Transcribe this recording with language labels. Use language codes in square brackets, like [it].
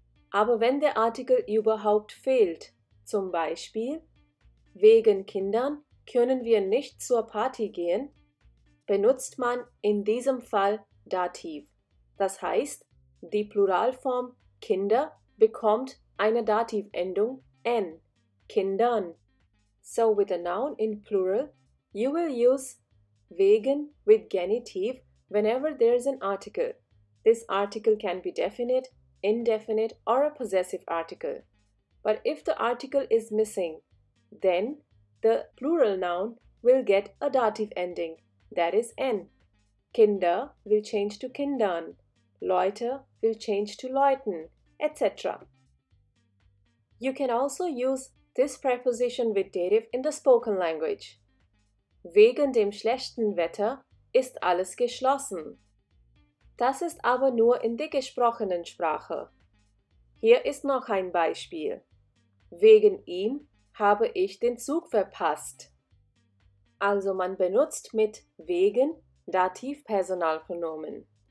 [de] Aber wenn der Artikel überhaupt fehlt, zum Beispiel wegen Kindern können wir nicht zur Party gehen, benutzt man in diesem Fall Dativ. Das heißt, die Pluralform Kinder bekommt eine Dativendung N, Kindern. [en] So with a noun in plural, you will use wegen with genitive whenever there is an article. This article can be definite, indefinite or a possessive article. But if the article is missing, then the plural noun will get a dative ending, that is N. Kinder will change to Kindern, Leute will change to Leuten, etc. You can also use this preposition with dative in the spoken language. [de] Wegen dem schlechten Wetter ist alles geschlossen. Das ist aber nur in der gesprochenen Sprache. Hier ist noch ein Beispiel. Wegen ihm habe ich den Zug verpasst. Also man benutzt mit wegen Dativpersonalpronomen.